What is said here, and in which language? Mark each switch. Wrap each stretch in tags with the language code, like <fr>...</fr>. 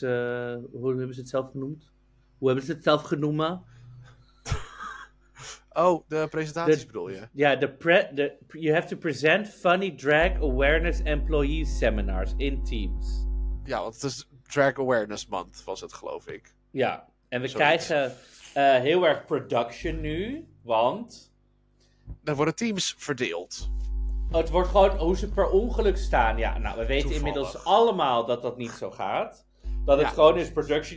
<nl>Hoe hebben ze het zelf genoemd? Oh, de presentaties bedoel je?</nl> <en>Ja, you have to present funny drag awareness employee seminars in Teams.</en> <nl>Ja, want het is Drag Awareness Month, was het, geloof ik. Ja, en we krijgen heel erg production nu, want. Dan worden teams verdeeld. Het wordt gewoon hoe ze per ongeluk staan. Ja, nou, we weten inmiddels allemaal dat dat niet zo gaat. Dat het gewoon is production.</nl>